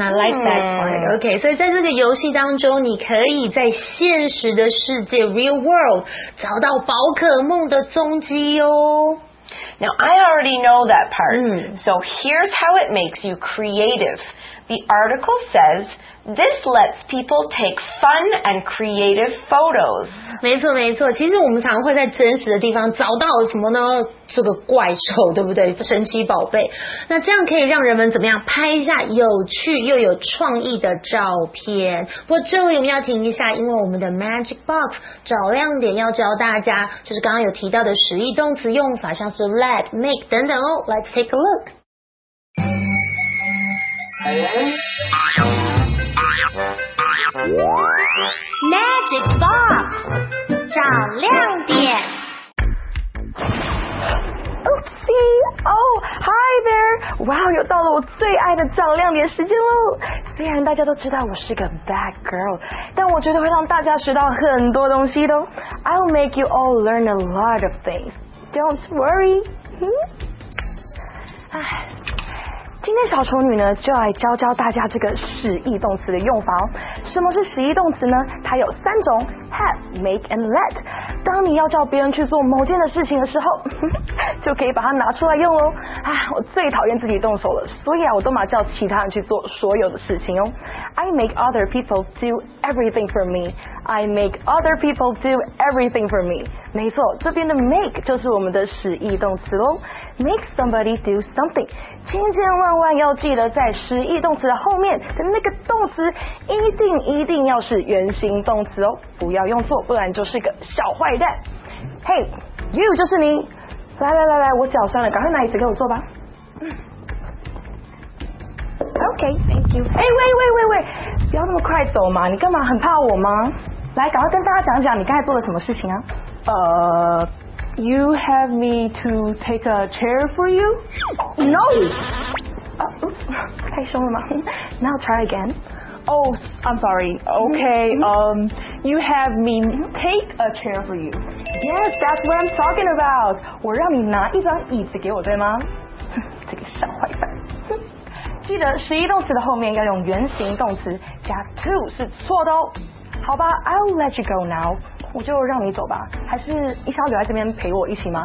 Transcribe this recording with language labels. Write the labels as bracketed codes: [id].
[en] I like that part. [zh] Okay, 所以在这个游戏当中，你可以在现实的世界 real world 找到宝可梦的踪迹哦。 [en] Now, I already know that part. So here's how it makes you creative. The article says, this lets people take fun and creative photos. [zh] 没错没错，其实我们常常会在真实的地方找到什么呢？这个怪兽，对不对？神奇宝贝。那这样可以让人们怎么样拍一下有趣又有创意的照片。不过这里我们要停一下，因为我们的 Magic Box 找亮点要教大家，就是刚刚有提到的实义动词用法，像是 let, make 等等哦。 [en] Let's take a look. [zh] Magic Box 找亮点。 [en] Oopsie! Oh, [zh] 哇，又到了我最爱的长亮点时间喽！虽然大家都知道我是个 bad girl， 但我觉得会让大家学到很多东西的。 [en] I'll make you all learn a lot of things. Don't worry. [zh] 今天小丑女呢，就来教教大家这个使役动词的用法。什么是使役动词呢？它有三种 ：have、make and let。当你要叫别人去做某件的事情的时候，就可以把它拿出来用喽。啊，我最讨厌自己动手了，所以啊，我都嘛叫其他人去做所有的事情哦。 [en] I make other people do everything for me. I make other people do everything for me. [zh] 没错，这边的 make 就是我们的使役动词喽。 [en] Make somebody do something， [zh] 千千万万要记得在使役动词的后面的那个动词，一定要是原形动词哦，不要用错，不然就是个小坏蛋。 [en] Hey， you [zh] 就是你。来来来来，我脚酸了，赶快拿椅子给我坐吧。 [en] Okay, thank you. [zh] 哎，喂，不要那么快走嘛，你干嘛很怕我吗？来，赶快跟大家讲讲你刚才做了什么事情啊？ [en] You have me to take a chair for you? No. Oops, [zh] 太凶了吗？ [en] Now try again. Oh, I'm sorry. Okay. You have me take a chair for you. Yes, that's what I'm talking about. [zh] 我让你拿一张椅子给我，对吗？这个小坏蛋。记得实义动词的后面要用原形动词，加 to 是错的哦。好吧， [en] I'll let you go now。 [zh] 我就让你走吧，还是你想要留在这边陪我一起吗？